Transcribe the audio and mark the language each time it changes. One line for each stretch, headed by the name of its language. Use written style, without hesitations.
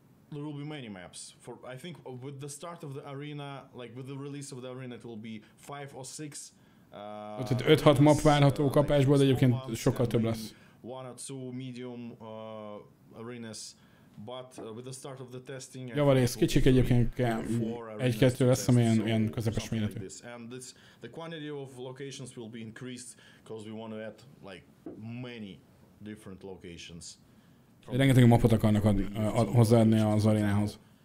English: There will be many maps. For I think with the start of the arena, like with the release of the arena, it will be 5 or 6.
Hungarian: Tehát 5-6 map várható kapásból, de egyébként sokkal több lesz.
English: One or two medium arenas, but with the start of the testing.
Hungarian: Javarész, kicsik egyébként 1-2 lesz, amilyen ilyen közepes méretű.
English: And this, the quantity of locations will be increased. Because we want to add like many different locations.
Hungarian: Rengeteg mapot akarnak hozzáadni az arénához.